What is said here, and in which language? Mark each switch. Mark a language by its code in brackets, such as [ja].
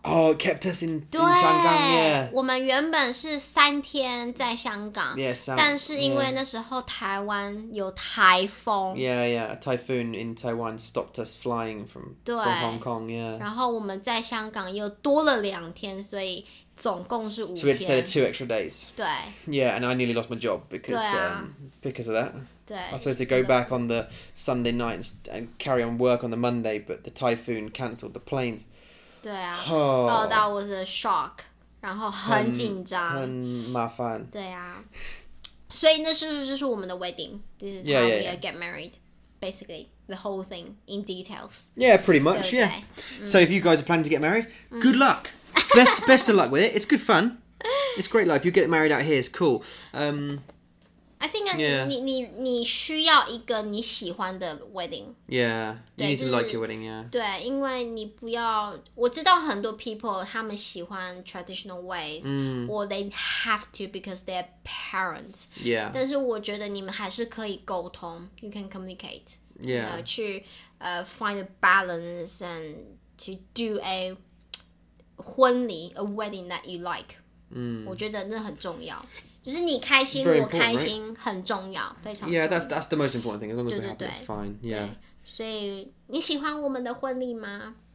[en] Oh, it kept us in 香港, yeah. [zh] 我们原本是三天在香港, [en] yeah, [zh] 但是因为那时候台湾有台风, [en] yeah, yeah, a typhoon in Taiwan stopped us flying from Hong Kong, yeah. [zh] 然后我们在香港又多了两天, 所以总共是五天。 [en] So we had to stay there two extra days. [zh] 对, [en] yeah, and I nearly lost my job because of that. [zh] 对, [en] I was supposed to go back on the Sunday night and carry on work on the Monday, but the typhoon cancelled the planes. 对啊, oh, that was a shock. [zh] 然后很紧张, 很麻烦. 对啊。所以那是不是就是我们的wedding? [en] This is yeah, how yeah, we yeah. get married. Basically, the whole thing in details. Yeah, pretty much, yeah. So if you guys are planning to get married, good luck. Best of luck with it. It's good fun. It's great life. You get married out here, it's cool. I think you need a wedding. Yeah, you need to like your wedding, yeah. [zh] 对,因为你不要,我知道很多 [en] people [zh] 他们喜欢 [en] traditional ways, or they have to because they're parents. Yeah. 但是我觉得你们还是可以沟通, you can communicate. Yeah. Find a balance and to do a wedding that you like. [zh] 我觉得那很重要，就是你开心我开心很重要，非常重要。 [en] Yeah, that's the most important thing. As long as we're happy, it's fine. Yeah. [zh] 所以你喜欢我们的婚礼吗？